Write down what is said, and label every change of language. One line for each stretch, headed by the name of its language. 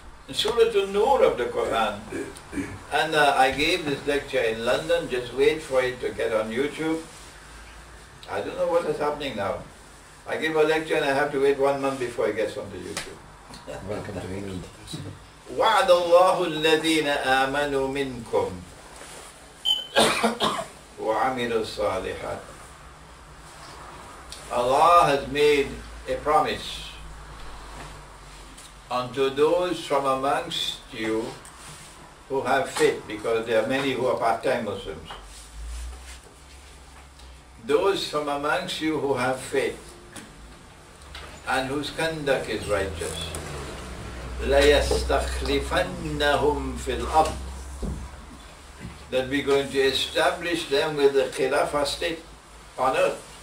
English: Surah An-Nur of the Quran. And I gave this lecture in London, just wait for it to get on YouTube. I don't know what is happening now. I give a lecture and I have to wait 1 month before it gets onto YouTube. Welcome to England.
Arabic: وعد الله الذين آمنوا منكم وعملوا الصالحات.
English: Allah has made a promise unto those from amongst you who have faith, because there are many who are part-time Muslims. Those from amongst you who have faith and whose conduct is righteous,
Arabic: لَيَسْتَخْلِفَنَّهُمْ فِي الْأَرْضِ,
English: that we're going to establish them with the Khilafah state on earth.